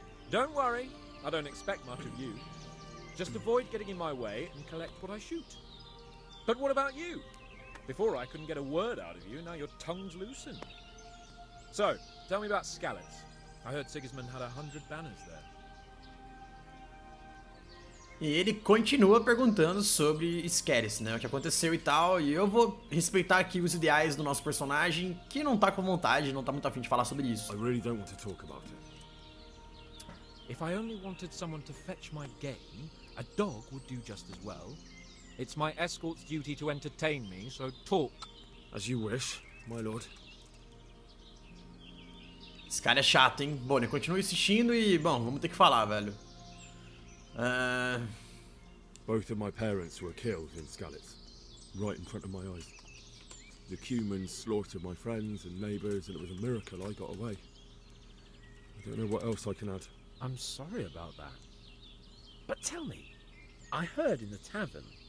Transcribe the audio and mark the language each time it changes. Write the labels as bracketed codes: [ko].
[en] Don't worry, I don't expect much of you. Just avoid getting in my way and collect what I shoot. But what about you? Before I couldn't get a word out of you, now your tongue's loosened. So, tell me about Scalitz. I heard Sigismund had 100 banners there. [pt] E ele continua perguntando sobre Scalitz, né? O que aconteceu e tal. E eu vou respeitar aqui os ideais do nosso personagem, que não tá com vontade, não tá muito afim de falar sobre isso. [en] I really don't want to talk about it. If I only wanted someone to fetch my game, a dog would do just as well. It's my escort's duty to entertain me, so talk. As you wish, my lord. [pt] Esse cara é chato, hein? Bom, ele continua insistindo e, bom, vamos ter que falar, velho. [en] Both of my parents were killed in Scalitz, right in front of my eyes. The Cumans slaughtered my friends and neighbors, and it was a miracle I got away. I don't know what else I can add. I'm sorry about that. But tell me, I heard in the tavern...